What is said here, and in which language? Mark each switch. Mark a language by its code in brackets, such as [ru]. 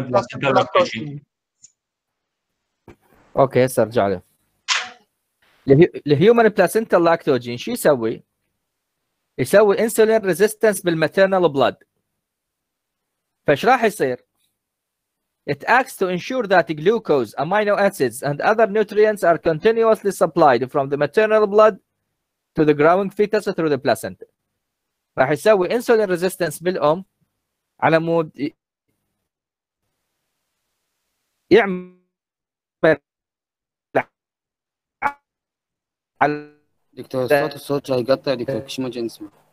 [ar] بلاسنتا لاكتوجين. اوكي هسه ارجع له. الهيومن بلاسنتا لاكتوجين شو يسوي؟ يسوي انسولين ريزيستنس بالماترنال بلاد. فايش راح يصير؟ [en] It acts to ensure that glucose, amino acids, and other nutrients are continuously supplied from the maternal blood to the growing fetus through the placenta. [ar] راح يسوي insulin resistance بالأم على مود يعمل على دكتور صوت الصوت جاي يقطع دكتور كش ما جنسمع.